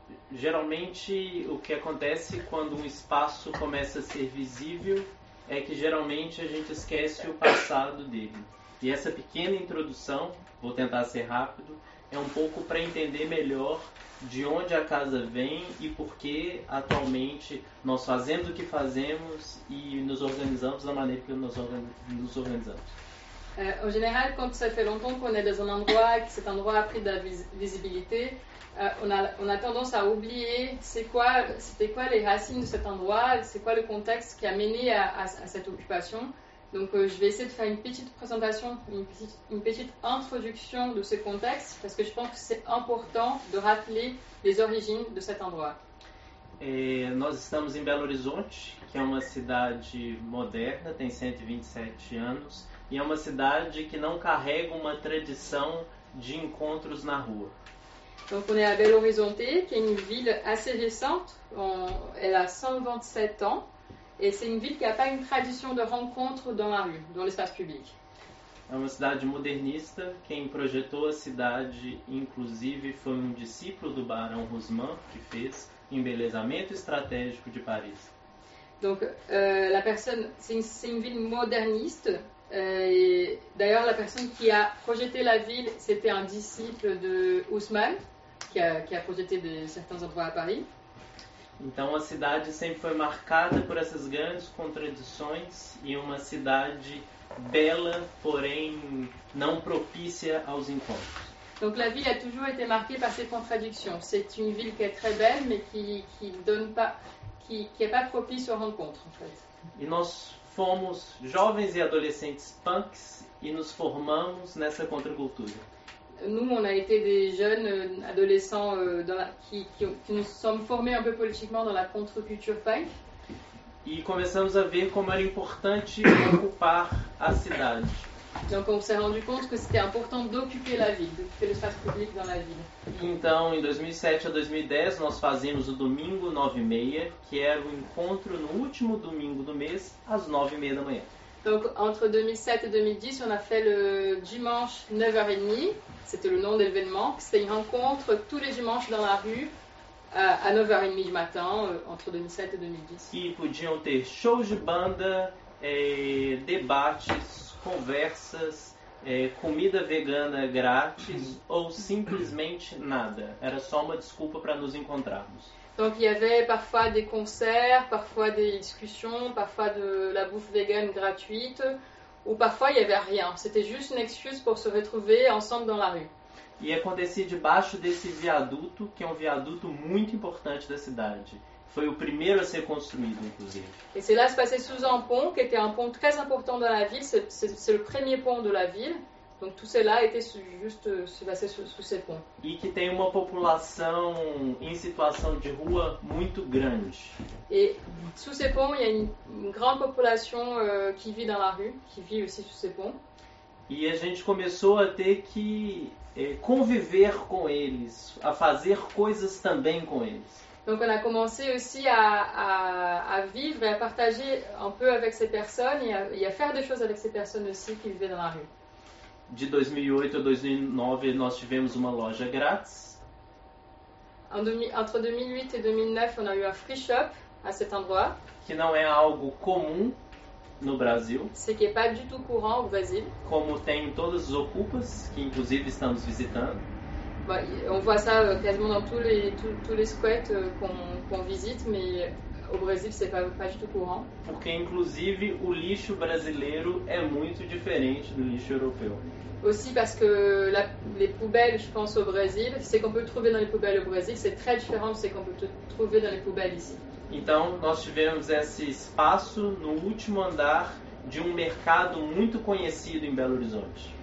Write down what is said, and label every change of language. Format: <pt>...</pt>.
<pt>Geralmente, o que acontece quando espaço começa a ser visível é que geralmente a gente esquece o passado dele. E essa pequena introdução, vou tentar ser rápido, é pouco para entender melhor de onde a casa vem e por que atualmente nós fazemos o que fazemos e nos organizamos da maneira que nos organizamos.</pt> <fr>En général, quand ça fait longtemps qu'on est dans un endroit et que cet endroit a pris de la visibilité, on a tendance à oublier c'était quoi les racines de cet endroit, c'est quoi le contexte qui a mené à cette occupation. Donc je vais essayer de faire une petite présentation, une petite introduction de ce contexte, parce que je pense que c'est important de rappeler les origines de cet endroit.</fr> <pt>Nós estamos em Belo Horizonte, que é uma cidade moderna, tem 127 anos, e é uma cidade que não carrega uma tradição de encontros na rua.</pt> <fr>Donc on est à Belo Horizonte, qui est une ville assez récente, elle a 127 ans. Et c'est une ville qui n'a pas une tradition de rencontre dans la rue, dans l'espace public.</fr> <pt>É uma cidade modernista. Quem projetou a cidade, inclusive, foi discípulo do Barão Haussmann, que fez embelezamento estratégico de Paris.</pt> <fr>Donc, la personne, c'est une ville moderniste. Et d'ailleurs, la personne qui a projeté la ville, c'était un disciple de Haussmann, qui a projeté certains endroits à Paris.</fr> <pt>Então a cidade sempre foi marcada por essas grandes contradições e uma cidade bela, porém não propícia aos encontros.</pt> <fr>Donc la ville a toujours été marquée par ces contradictions. C'est une ville qui est très belle mais qui donne pas qui est pas propice aux rencontres en fait.</fr> <pt>E nós fomos jovens e adolescentes punks e nos formamos nessa contracultura.</pt> <fr>Nous, on a été des jeunes adolescents qui nous sommes formés un peu politiquement dans la contre-culture punk. Et commençons à voir comment</fr> <pt>era importante</pt> <fr>occuper la cidade. Donc, on s'est rendu compte que c'était important d'occuper la ville, d'occuper l'espace public dans la ville.</fr> <pt>Então, em 2007 à 2010, nós fazíamos o domingo 9h30, que era o encontro no último domingo do mês, às 9h30 da manhã.</pt> <fr>Donc, entre 2007 et 2010, on a fait le dimanche 9h30, c'était le nom de l'événement, c'était une rencontre tous les dimanches dans la rue à 9h30 du matin, entre 2007 et 2010.</fr> <pt>Et podiam ter shows de banda, debates, conversas, comida vegana grátis ou simplesmente nada. Era só uma desculpa para nos encontrarmos.</pt> <fr>Donc il y avait parfois des concerts, parfois des discussions, parfois de la bouffe végane gratuite, ou parfois il n'y avait rien. C'était juste une excuse pour se retrouver ensemble dans la rue.</fr> <pt>Et acontecia debaixo desse viaduto, que é viaduto muito importante da cidade. Foi o primeiro a ser construído, inclusive.</pt> <fr>Et c'est là que se passait sous un pont, qui était un pont très important dans la ville. C'est le premier pont de la ville, Donc tout cela était juste se baser sur ces ponts.</fr> <pt>Et qui tem uma população em situação de rua muito grande.</pt> <fr>Et sous ces ponts, il y a une grande population qui vit dans la rue, qui vit aussi sous ces ponts.</fr> <pt>E a gente começou a ter que conviver com eles, a fazer coisas também com eles.</pt> <fr>Donc on a commencé aussi à vivre et à partager un peu avec ces personnes et à faire des choses avec ces personnes aussi qui vivaient dans la rue.</fr> <pt>De 2008 à 2009, nós tivemos uma loja grátis.</pt> <fr>Entre 2008 et 2009, on a eu un free shop à cet endroit.</fr> <pt>Que não é algo comum no Brasil.</pt> <fr>Ce qui n'est pas du tout courant au Brésil.</fr> <pt>Como tem em todas as Ocupas, que inclusive estamos visitando.</pt> <fr>On voit ça quasiment dans tous les squats qu'on visite, mais au Brésil, c'est pas du tout courant.</fr> <pt>Porque, inclusive, o lixo brasileiro é muito diferente do lixo europeu.</pt> <fr>Aussi parce que les poubelles, je pense, au Brésil, ce qu'on peut trouver dans les poubelles au Brésil, c'est très différent de ce qu'on peut trouver dans les poubelles ici.</fr> <pt>Então, nós tivemos esse espaço no último andar de mercado muito conhecido em Belo Horizonte.</pt>